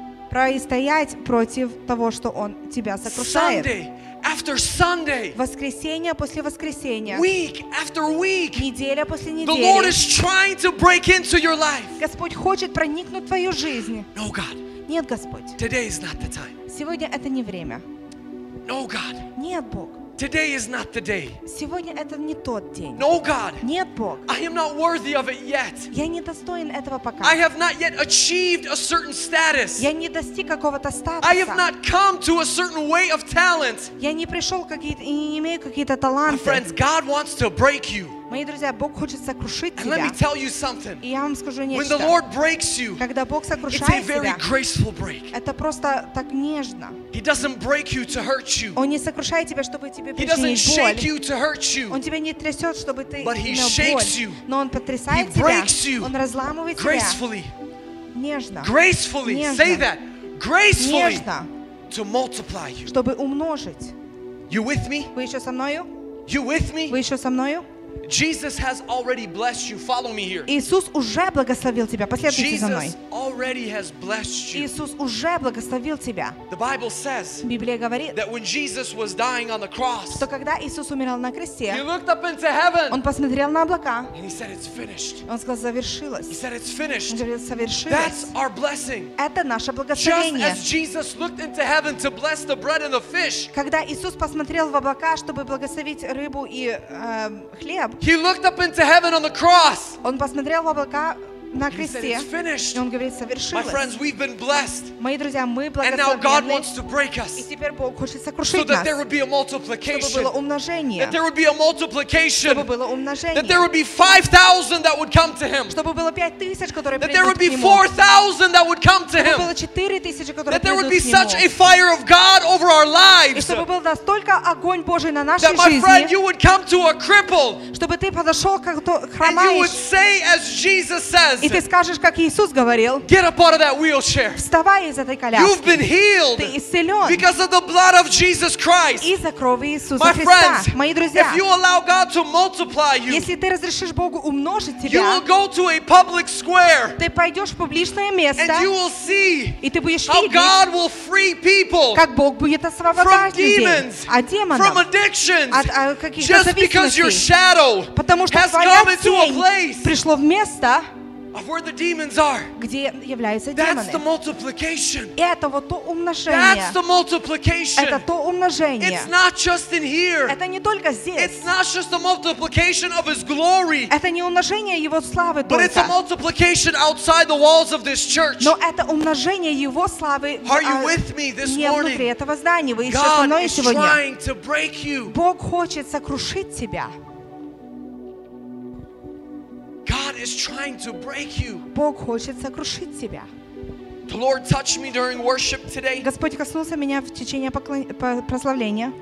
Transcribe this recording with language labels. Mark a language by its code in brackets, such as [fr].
[ru] Противостоять против того, что Он тебя сокрушает. [en] Sunday after Sunday. [ru] Воскресенье после воскресенья. [en] Week after week. [ru] Неделя после недели. [en] The Lord is trying to break into your life. [ru] Господь хочет проникнуть в твою жизнь. [en] No, God. [ru] Нет, Господь. [en] Today is not the time. [ru] Сегодня это не время. [en] No, God. [ru] Нет, Бог. [en] Today is not the day. [ru] Сегодня это не тот день. [en] No, God. [ru] Нет, Бог. [en] I am not worthy of it yet. [ru] Я не достоин этого пока. [en] I have not yet achieved a certain status. [ru] Я не достиг какого-то статуса. [en] I have not come to a certain way of talent. [ru] Я не пришел какие-то и не имею какие-то таланты. [en] My friends, God wants to break you. [ru] Мои друзья, Бог хочет сокрушить тебя. [en] And let me tell you something. [ru] И я вам скажу нечто. [en] When the Lord breaks you, [ru] когда Бог сокрушает тебя, [en] it's a very graceful break. [ru] Это просто так нежно. [en] He doesn't break you to hurt you. [ru] Он не сокрушает тебя, чтобы тебе причинить боль. [en] He doesn't shake you to hurt you. [ru] Он тебя не трясет, чтобы ты имел боль. [en] But he shakes you. [ru] Но он потрясает тебя. [en] He breaks you. [ru] Он разламывает тебя. [en] Gracefully. [ru] Нежно. [en] Gracefully. Say that. Gracefully. [ru] Нежно. [en] To multiply you. [ru] Чтобы умножить. [en] You with me? [ru] Вы еще со мною? [en] You with me? [ru] Вы еще со мною? [en] Jesus has already blessed you. Follow me here. [ru] Иисус уже благословил тебя. Последуйте за мной. [en] Jesus already has blessed you. [ru] Иисус уже благословил тебя. [en] The Bible says. [ru] Библия говорит. [en] That when Jesus was dying on the cross. [ru] Что когда Иисус умирал на кресте. [en] He looked up into heaven. [ru] Он посмотрел на облака. [en] And he said, "It's finished." [ru] Он сказал, завершилось. [en] He said, "It's finished." [ru] Он говорил, завершилось. [en] That's our blessing. [ru] Это наше благословение. [en] Just as Jesus looked into heaven to bless the bread and the fish. [ru] Когда Иисус посмотрел в облака, чтобы благословить рыбу и хлеб. [en] He looked up into heaven on the cross. [ru] Он посмотрел в облака на кресте. [en] He said, "It's finished." [ru] И он говорит, совершилось. [en] My friends, we've been blessed. [ru] Мои друзья, мы благословлены. [en] And now God wants to break us. [ru] И теперь Бог хочет сокрушить нас. [en] So that there would be a multiplication. [ru] Чтобы было умножение. [en] That there would be a multiplication. [ru] Чтобы было умножение. [en] That there would be 5,000 that would come to Him. [ru] Чтобы было 5,000, которые придут. [en] That there would be 4,000 that would come to Him. [ru] Чтобы было 4,000, которые придут к Нему. [en] That there would be such a fire of God over our lives. [ru] И чтобы был настолько огонь Божий на нашей жизни. [en] That my friend, you would come to a cripple. [ru] Чтобы ты подошел к хромающему. [en] And you would say, as Jesus said. [ru] И ты скажешь, как Иисус говорил, [en] get up out of that wheelchair. [ru] Вставай из этой коляски. [en] You've been healed. [ru] Ты исцелен. [en] Because of the blood of Jesus Christ. [ru] Из-за крови Иисуса [en] Христа. My friends, [ru] мои друзья, [en] if you allow God to multiply you, [ru] если ты разрешишь Богу умножить тебя, [en] you will go to a public square. [ru] Ты пойдешь в публичное место. [en] And you will see, [ru] и ты будешь [en] how [ru] видеть, [en] God will free people, [ru] как Бог будет освобождать [en] from demons, [ru] людей от демонов, [en] from addictions, [ru] от каких-то зависимостей, [en] just because your shadow [ru] потому что [en] has come into a place, [ru] пришло в место. [en] Of where the demons are. [ru] Где являются [en] That's [ru] демоны. [en] That's the multiplication. [ru] Это вот то умножение. [en] That's the multiplication. [ru] Это то умножение. [en] It's not just in here. [ru] Это не только здесь. [en] It's not just the multiplication of His glory. [ru] Это не умножение Его славы только. [en] But it's a multiplication outside the walls of this church. [ru] Но это умножение Его славы. [en] Are you with me this morning? [ru] Не внутри этого здания. Вы еще со мной сегодня? [en] God is trying to break you. [ru] Бог хочет сокрушить тебя. [en] God is trying to break you. [ru] Бог хочет сокрушить тебя. [en] The Lord touched me during worship today. [ru] Господь коснулся меня в течение прославления.